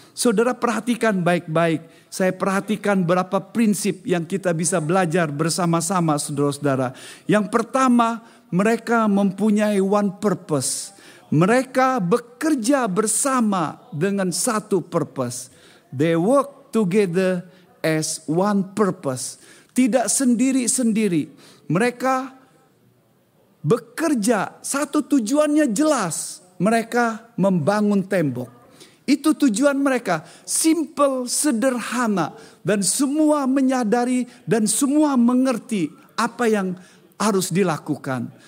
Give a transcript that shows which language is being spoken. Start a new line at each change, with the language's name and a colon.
Indonesian: Saudara perhatikan baik-baik. Saya perhatikan berapa prinsip yang kita bisa belajar bersama-sama, saudara-saudara. Yang pertama, mereka mempunyai
English: one purpose.
Indonesian: Mereka bekerja bersama dengan satu purpose.
English: They work together as one purpose.
Indonesian: Tidak sendiri-sendiri. Mereka bekerja, satu tujuannya jelas. Mereka membangun tembok. Itu tujuan mereka. Simple, sederhana. Dan semua menyadari dan semua mengerti apa yang harus dilakukan.